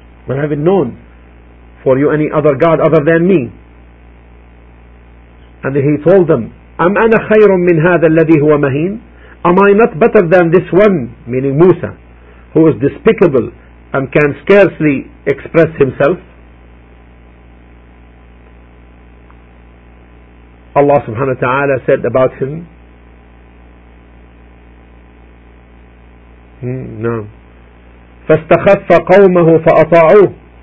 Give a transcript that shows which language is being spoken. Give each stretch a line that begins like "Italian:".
English: I haven't known for you any other God other than me. And he told them,
Arabic: أم أنا خير من هذا الذي هو مهين.
English: Am I not better than this one, meaning Musa, who is despicable and can scarcely express himself? Allah subhanahu wa ta'ala said about him,
Arabic: فَاسْتَخَفَّ قَوْمَهُ فَأَطَاعُوهُ.